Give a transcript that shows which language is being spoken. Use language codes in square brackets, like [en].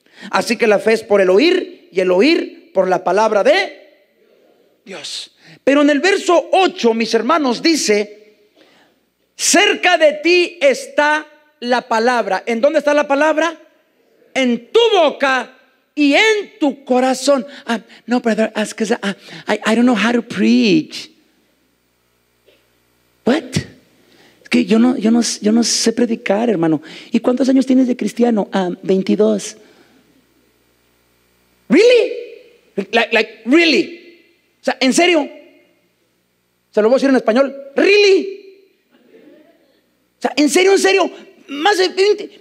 [es] Así que la fe es por el oír, y el oír por la palabra de Dios. Pero en el verso 8, mis hermanos, dice, cerca de ti está la palabra. ¿En dónde está la palabra? En tu boca y en tu corazón. [en] No, brother, ask us, I don't know how to preach. What? [es] Es que yo no sé predicar, hermano. ¿Y cuántos años tienes de cristiano? 22. [en] Really? Like really? [es] O sea, ¿en serio? Se lo voy a decir en español. [en] Really? [es] O sea, ¿en serio? Más de 20.